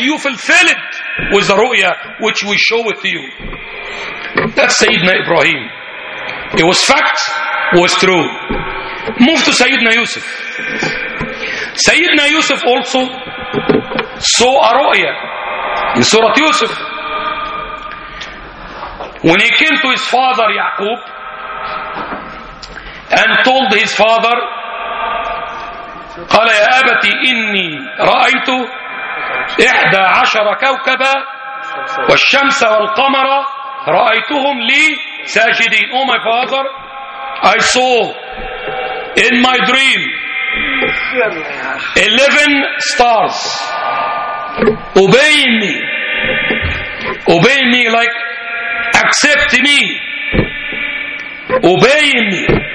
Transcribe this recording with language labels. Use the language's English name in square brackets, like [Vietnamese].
[English] You fulfilled with the رؤيا which we show with you. That's Sayyidina Ibrahim. It was fact, was true. Move to Sayyidina Yusuf. Sayyidina Yusuf also saw a رؤيا in Surah Yusuf. When he came to his father Yaqub and told his father, [Arabic] قال يا أبتي إني رأيت إحدى عشر كوكبا والشمس والقمر رأيتهم لي ساجدين. [English] Oh my father, I saw in my dream 11 stars obeying me like accept me, obey me.